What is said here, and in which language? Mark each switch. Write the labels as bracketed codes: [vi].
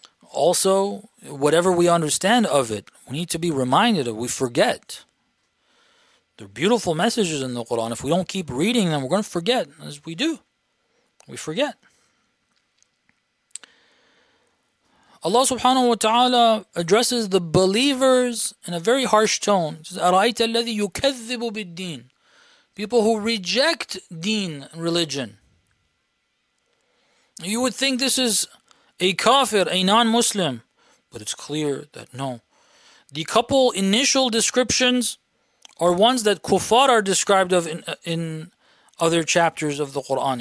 [en] Also, whatever we understand of it, we need to be reminded of. We forget. They're beautiful messages in the Quran. If we don't keep reading them, we're going to forget, as we do. We forget. Allah subhanahu wa ta'ala addresses the believers in a very harsh tone. He says, [ar] أَرَأَيْتَ الَّذِي يُكَذِّبُ بِالدِّينِ. [en] People who reject deen, religion. You would think this is a kafir, a non-Muslim. But it's clear that no. The couple initial descriptions are ones that kuffar are described of in other chapters of the Quran.